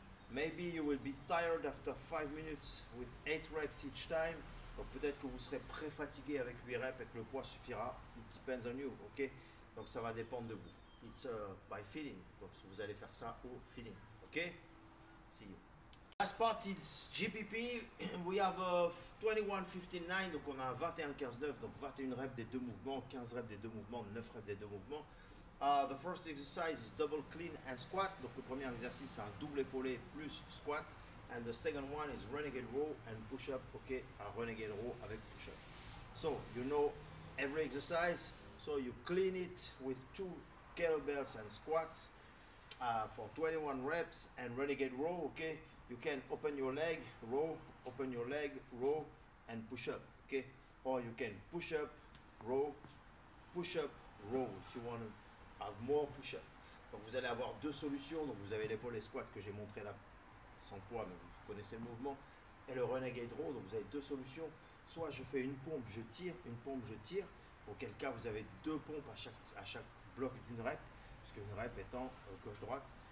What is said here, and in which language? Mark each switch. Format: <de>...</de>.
<en>Maybe you will be tired after 5 minutes with 8 reps each time.</en> <fr>Donc, peut-être que vous serez pré-fatigué avec 8 reps et que le poids suffira.</fr> <en>It depends on you, ok?</en> <fr>Donc, ça va dépendre de vous.</fr> <en>It's by feeling.</en> <fr>Donc, vous allez faire ça au feeling, ok?</fr> <en>See you. Last part is GPP, we have 21-15-9,</en> <fr>donc on a 21-15-9, donc 21 reps des deux mouvements, 15 reps des deux mouvements, 9 reps des deux mouvements.</fr> <en>The first exercise is double clean and squat,</en> <fr>donc le premier exercice c'est un double épaulé plus squat,</fr> <en>and the second one is renegade row and push-up, ok,</en> <fr>un renegade row avec push-up.</fr> <en>So, you know every exercise, so you clean it with 2 kettlebells and squats for 21 reps and renegade row, ok. You can open your leg, row, open your leg, row, and push up, okay? Or you can push up, row, if you want to have more push up.</en> <fr>Donc vous allez avoir deux solutions, donc vous avez l'épaule et squat que j'ai montré là, sans poids, mais vous connaissez le mouvement, et le renegade row, donc vous avez deux solutions. Soit je fais une pompe, je tire, auquel cas vous avez deux pompes à chaque bloc d'une rep, puisque une rep étant gauche-droite.</fr>